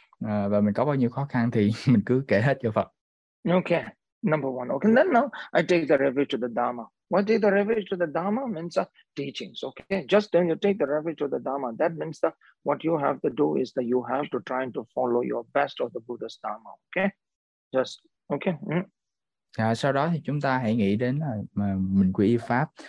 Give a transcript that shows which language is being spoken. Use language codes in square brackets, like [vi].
[vi] Và mình có bao nhiêu khó khăn thì mình cứ kể hết cho Phật. [en] Okay, number one. Okay, then now I take the refuge to the Dharma. What is the refuge to the Dharma means the teachings, okay? Just then you take the refuge to the Dharma. That means that what you have to do is that you have to try to follow your best of the Buddha's Dharma, okay? Just, okay? [vi] À, sau đó thì chúng ta hãy nghĩ đến là mình quy y Pháp.